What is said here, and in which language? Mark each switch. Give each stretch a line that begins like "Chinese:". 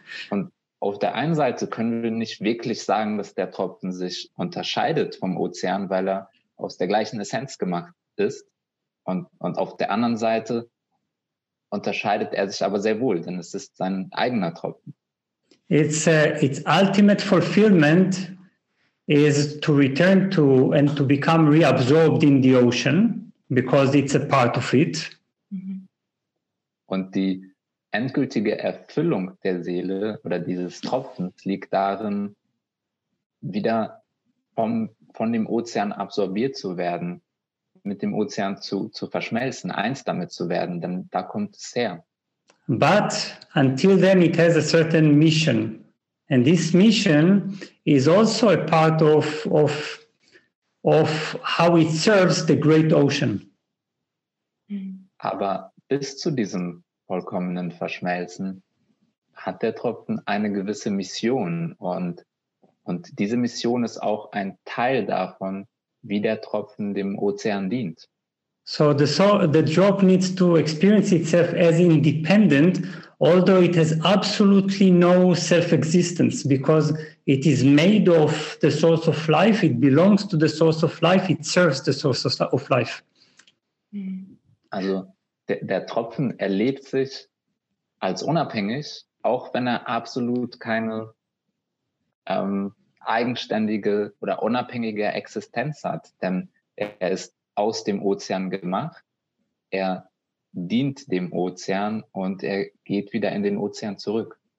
German: Und auf der einen Seite können wir nicht wirklich sagen, dass der Tropfen sich unterscheidet vom Ozean, weil er aus der gleichen Essenz gemacht ist. Und auf der anderen Seite unterscheidet er sich aber sehr wohl, denn es ist sein eigener Tropfen.
English: It's ultimate fulfillment is to return to and to become reabsorbed in the ocean because it's a part of it.
German: Und die endgültige Erfüllung der Seele oder dieses Tropfens liegt darin, wieder von dem Ozean absorbiert zu werden, mit dem Ozean zu verschmelzen, eins damit zu werden, denn da kommt es her.
English: But until then it has a certain mission. And this mission is also a part of how it serves the great ocean.
German: Aber bis zu diesem vollkommenen Verschmelzen hat der Tropfen eine gewisse Mission. Und diese Mission ist auch ein Teil davon, wie der Tropfen dem Ozean dient.
English: So the drop needs to experience itself as independent, although it has absolutely no self-existence, because it is made of the source of life, it belongs to the source of life, it serves the source of life.
German: Also der Tropfen erlebt sich als unabhängig, auch wenn er absolut keine eigenständige oder unabhängige Existenz hat, denn er ist aus dem Ozean gemacht, er dient dem Ozean und er geht wieder in den Ozean zurück.